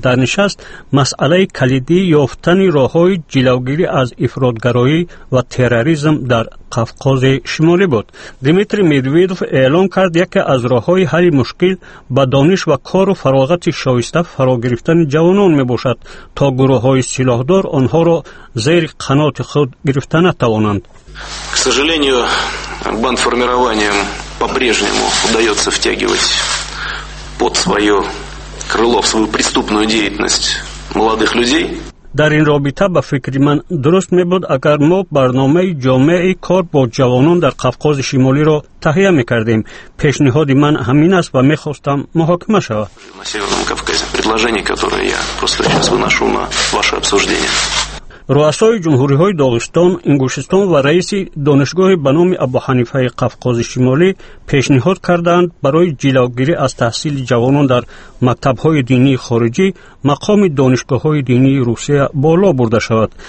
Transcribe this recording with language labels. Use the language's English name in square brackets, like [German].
[Persian] در نشست مسئله کلیدی یافتن راه های جلوگیری از افرادگرایی و تروریسم در قفقاز شمالی بود. دیمیتری مدودف اعلام کرد یکی از راه های حل مشکل با دانش و کار و فراغت شایسته فرا گرفتن جوانان می باشد تا گروه های سلاحدار آنها را زیر قنات خود گرفته نتوانند. [Russian] К сожалению, бандформированием по-прежнему удается втягивать под свое крыло, в свою преступную деятельность молодых людей. [Persian] در این رابطه به فکر من درست می بود اگر ما برنامه جامعه کار با جوانان در قفقاز شمالی را تهیه می کردیم. پیشنهاد من همین است و می خواستم محاکمه شود. [Russian] На Северном Кавказе предложение, которое я просто сейчас выношу на ваше обсуждение. [Persian] رؤسای جمهوری های داغستان، انگوشستان و رئیس دانشگاه به نام ابو حنیفه قفقاز شمالی پیشنهاد کردند برای جلوگیری از تحصیل جوانان در مکتب های دینی خارجی مقام دانشگاه های دینی روسیه بالا برده شود.